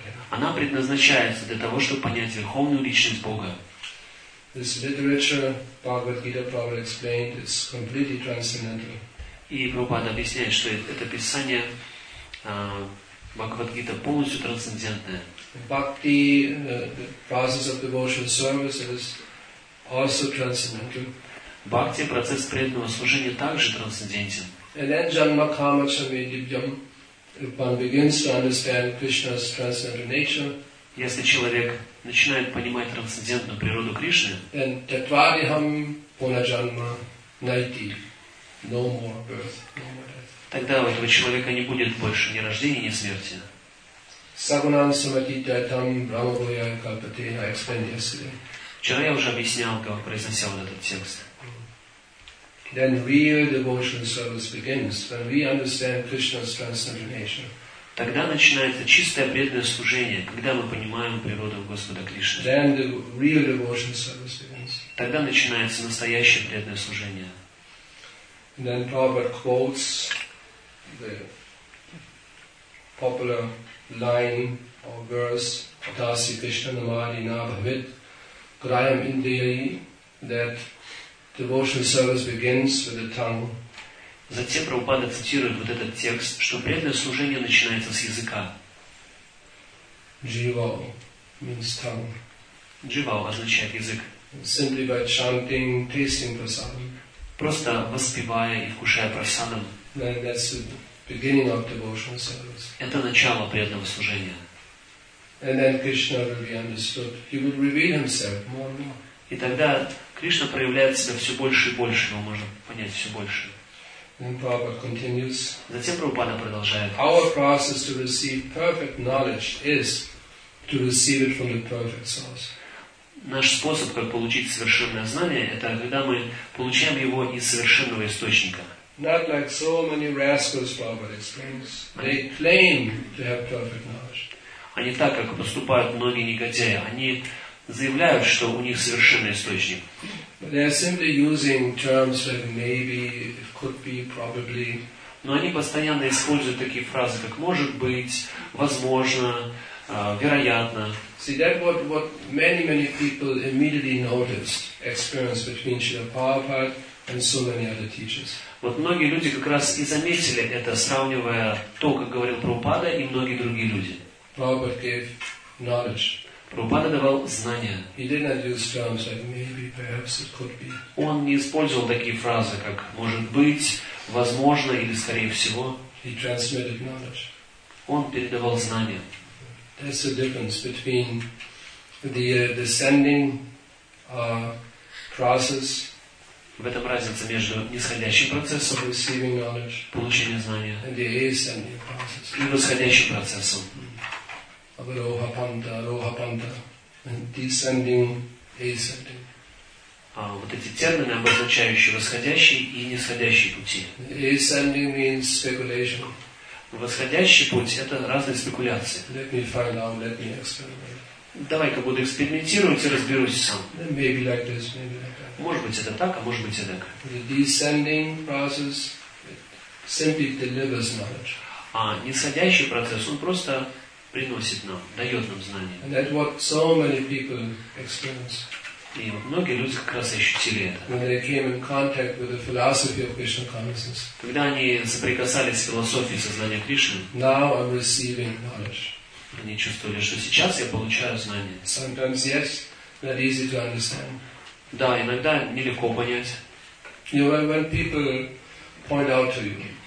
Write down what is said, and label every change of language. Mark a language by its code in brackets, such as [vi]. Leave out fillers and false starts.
[ru] Она предназначается для того, чтобы понять Верховную Личность Бога. [en] This literature, Bhagavad-gita probably explained, is completely transcendental. [ru] И Прабхупада объясняет, что это писание Бхагавад-гита полностью трансцендентное. [en] Bhakti, the process of devotional service is also transcendental. [ru] Бхакти — процесс преданного служения также трансцендентен. [en] And then [sa] Janma Kama Chami Dibyam, [en] if one begins to understand Krishna's transcendental nature, [ru] если человек начинает понимать трансцендентную природу Кришны, [en] then [sa] tatvariham puna janma naiti, [en] no more birth, no more death. [ru] Тогда у этого человека не будет больше ни рождения, ни смерти. [sa] Sagunam samatityatam brahmavaya kalpate, [en] I explained yesterday. [ru] Вчера я уже объяснял, как произносил этот текст. [en] Then real devotional service begins when we understand Krishna's transcendental nature. [ru] Тогда начинается чистое преданное служение, когда мы понимаем природу Господа Кришны. [en] Then the real devotional service begins. [ru] Тогда начинается настоящее преданное служение. [en] Then Prabhupada quotes the popular line or verse [sa] Dasi Krishna Namadi Nabhavit Krayam Indiri [en] that devotional service begins with the tongue. [ru] Затем Прабхупада цитирует вот этот текст, что преданное служение начинается с языка. [en] Jivao means tongue. [ru] Jivao означает язык. [en] Simply by chanting, tasting prasadam. [ru] Просто воспевая и вкушая прасадам. [en] Then that's the beginning of devotional service. [ru] Это начало преданного служения. [en] And then Krishna will be understood. He will reveal himself more and more. [ru] И тогда Кришна проявляет себя все больше и больше, его можно понять все больше. [en] Then Prabhupada continues. [ru] Затем Прабхупада продолжает. [en] Our process to receive perfect knowledge is to receive it from the perfect source. [ru] Наш способ, как получить совершенное знание, это когда мы получаем его из совершенного источника. [en] Not like so many rascals, Prabhupada explains. They claim to have perfect knowledge. [ru] А не так, как поступают многие негодяи. Они заявляют, что у них совершенный источник. [en] But they are simply using terms like maybe, it could be, probably. [ru] Но они постоянно используют такие фразы, как может быть, возможно, вероятно. [en] See, that what many people immediately noticed, experience between Srila Prabhupada and so many other teachers. [ru] Вот многие люди как раз и заметили это, сравнивая то, как говорил Прабхупада и многие другие люди. [en] Prabhupada gave knowledge. [ru] Прабхупада давал знания. [en] He did not use terms like maybe, perhaps it could be. [ru] Он не использовал такие фразы, как может быть, возможно или скорее всего. [en] He transmitted knowledge. [ru] Он передавал знания. [en] That's the difference between the descending process. [ru] В этом разница между нисходящим процессом [en] receiving knowledge, [ru] получения знания, [en] and the ascending process. [ru] И восходящим процессом. [sa] Avaroha panta, aroha panta, [en] descending, ascending. [ru] Вот эти термины, обозначающие восходящий и нисходящий пути. [en] Ascending means speculation. [ru] Восходящий путь — это разные спекуляции. [en] Let me find out, let me experiment. [ru] Давай-ка буду экспериментировать и разберусь сам. [en] Maybe like this, maybe like that. [ru] Может быть это так, а может быть это так. [en] The descending process simply delivers knowledge. [ru] А нисходящий процесс, он просто приносит нам, дает нам знания. [en] And that's what so many people experience. [ru] И вот многие люди как раз ощутили это. [en] When they came in contact with the philosophy of Krishna consciousness. [ru] Когда они соприкасались с философией сознания Кришны. [en] Now I'm receiving knowledge. [ru] Они чувствовали, что сейчас я получаю знания. [en] Sometimes yes, not easy to understand. [ru] Да, иногда нелегко понять. [en] You know, when people point out to you.